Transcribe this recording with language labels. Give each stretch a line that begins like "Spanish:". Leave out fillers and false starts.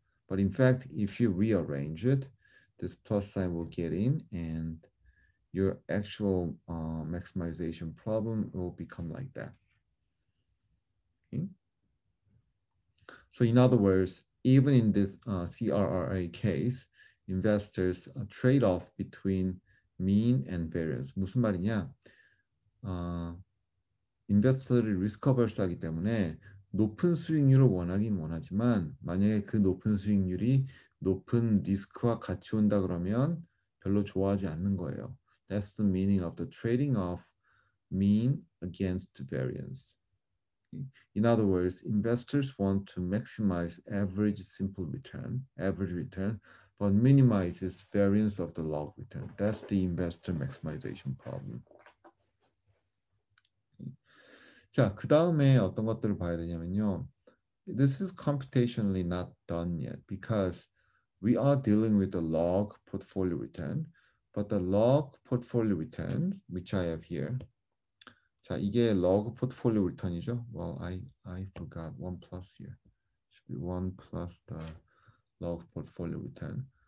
English: But in fact, if you rearrange it, this plus sign will get in and your actual maximization problem will become like that. Okay. So in other words, even in this CRRA case, investors trade-off between mean and variance.
Korean: 무슨 말이냐? 인베스터들이 리스커버스 하기 때문에 높은 수익률을 원하긴 원하지만 만약에 그 높은 수익률이 높은 리스크와 같이 온다 그러면 별로 좋아하지 않는 거예요.
English: That's the meaning of the trading of mean against variance. In other words, investors want to maximize average simple return, average return, but minimizes variance of the log return. That's the investor maximization problem.
Korean: 자, 그 다음에 어떤 것들을 봐야 되냐면요.
English: This is computationally not done yet because we are dealing with the log portfolio return, but the log portfolio return, which I have here,
Korean: 자, 이게 log portfolio return이죠.
English: Well, I forgot 1 plus here. Should be 1 plus the log portfolio return.